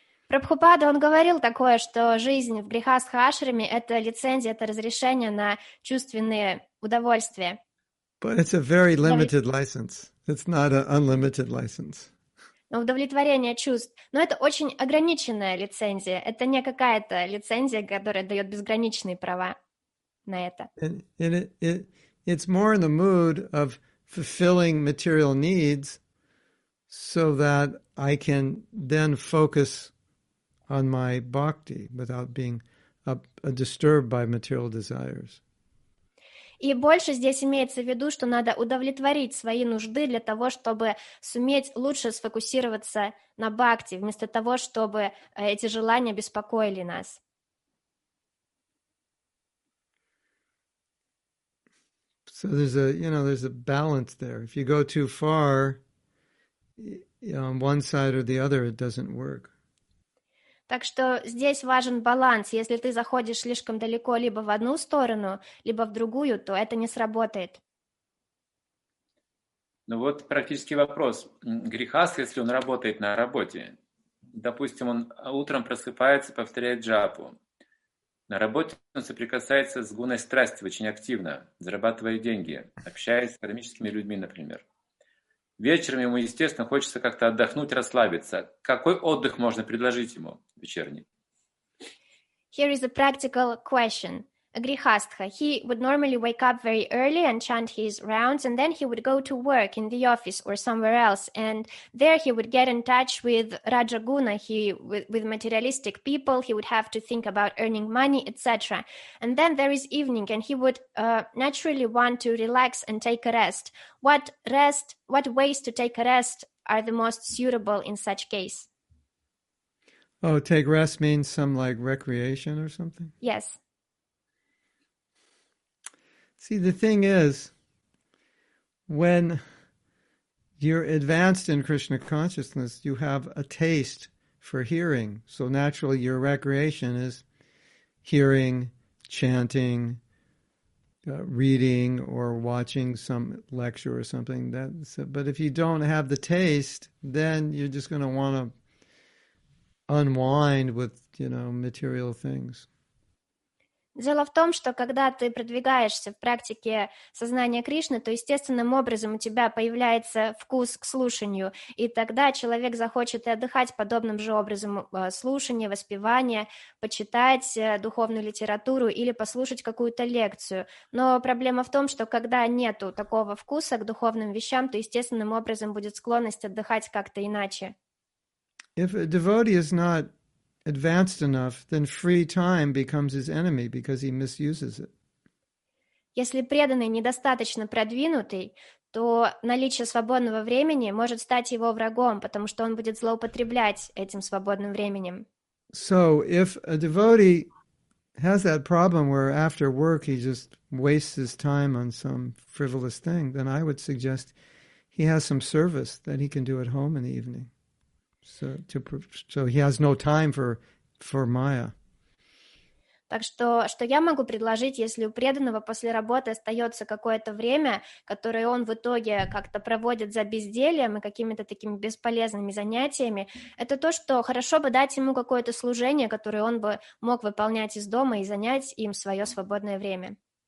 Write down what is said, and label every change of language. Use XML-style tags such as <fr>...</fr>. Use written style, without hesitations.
<ru>Прабхупада, он говорил такое, что жизнь в грихастха-ашраме – это лицензия, это разрешение на чувственные удовольствия.</ru> <en>But it's a very limited license. It's not an unlimited license.</en> <ru>Удовлетворение чувств. Но это очень ограниченная лицензия. Это не какая-то лицензия, которая дает безграничные права на это.</ru> <en>It's more in the mood of fulfilling material needs so that I can then focus on my bhakti without being disturbed by material desires.</en> <ru>И больше здесь имеется в виду, что надо удовлетворить свои нужды для того, чтобы суметь лучше сфокусироваться на бхакти, вместо того, чтобы эти желания беспокоили нас.</ru> <en>So there's a, you know, there's a balance there. If you go too far on one side or the other, it doesn't work.</en> <ru>Так что здесь важен баланс. Если ты заходишь слишком далеко либо в одну сторону, либо в другую, то это не сработает. Ну вот практический вопрос. Грихастха, если он работает на работе, допустим, он утром просыпается, повторяет джапу. На работе он соприкасается с гуной страсти очень активно, зарабатывая деньги, общаясь с кармическими людьми, например. Вечером ему, естественно, хочется как-то отдохнуть, расслабиться. Какой отдых можно предложить ему вечерний?</ru> <en>Here is a practical question. A grihastha. He would normally wake up very early and chant his rounds, and then he would go to work in the office or somewhere else. And there he would get in touch with Rajaguna, with materialistic people. He would have to think about earning money, etc. And then there is evening, and he would naturally want to relax and take a rest. What ways to take a rest are the most suitable in such case? Oh, take rest means some like recreation or something? Yes. See, the thing is, when you're advanced in Krishna consciousness, you have a taste for hearing. So naturally, your recreation is hearing, chanting, reading, or watching some lecture or something. But if you don't have the taste, then you're just going to want to unwind with, you know, material things.</en> <ru>Дело в том, что когда ты продвигаешься в практике сознания Кришны, то естественным образом у тебя появляется вкус к слушанию, и тогда человек захочет и отдыхать подобным же образом слушания, воспевания, почитать духовную литературу или послушать какую-то лекцию. Но проблема в том, что когда нету такого вкуса к духовным вещам, то естественным образом будет склонность отдыхать как-то иначе.</ru> <en>If a devotee is not advanced enough, then free time becomes his enemy because he misuses it.</en> <ru>Если преданный недостаточно продвинутый, то наличие свободного времени может стать его врагом, потому что он будет злоупотреблять этим свободным временем.</ru> <en>So if a devotee has that problem where after work he just wastes his time on some frivolous thing, then I would suggest he has some service that he can do at home in the evening. So he has no time for Maya.</en> <ru>Так что я могу предложить, если у преданного после работы остается какое-то время, которое он в итоге как-то проводит за бездельем и какими-то такими бесполезными занятиями, это то, что хорошо бы дать ему какое-то служение, которое он бы мог выполнять из дома и занять им свое свободное время.</ru>